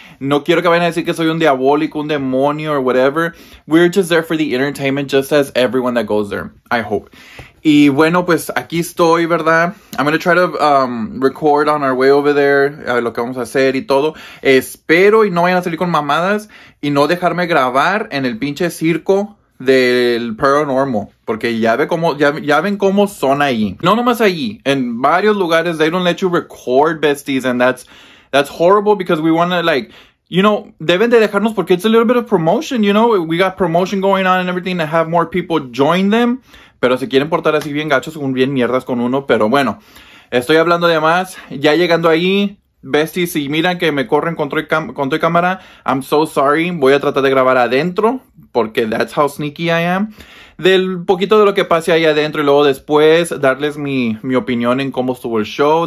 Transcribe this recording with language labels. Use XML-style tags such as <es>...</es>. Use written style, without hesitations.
<es>No quiero que vayan a decir que soy un diabólico, un demonio,</es> <en>or whatever. We're just there for the entertainment, just as everyone that goes there, I hope.</en> <es>Y bueno, pues aquí estoy, ¿verdad?</es> <en>I'm going to try to record on our way over there,</en> <es>lo que vamos a hacer y todo. Espero y no vayan a salir con mamadas y no dejarme grabar en el pinche circo del paranormal, porque ya ven cómo son ahí. No nomás ahí, en varios lugares</es> <en>they don't let you record, besties, and that's horrible, because we want to, like, you know,</en> <es>deben de dejarnos porque</es> <en>it's a little bit of promotion, you know, we got promotion going on and everything to have more people join them.</en> <es>Pero se quieren portar así bien gachos, bien mierdas con uno. Pero bueno, estoy hablando de más. Ya llegando ahí, besties, si miran que me corren con tu cámara,</es> <en>I'm so sorry.</en> <es>Voy a tratar de grabar adentro, porque</es> <en>that's how sneaky I am.</en> <es>Del poquito de lo que pase ahí adentro y luego después darles mi opinión en cómo estuvo el show.</es>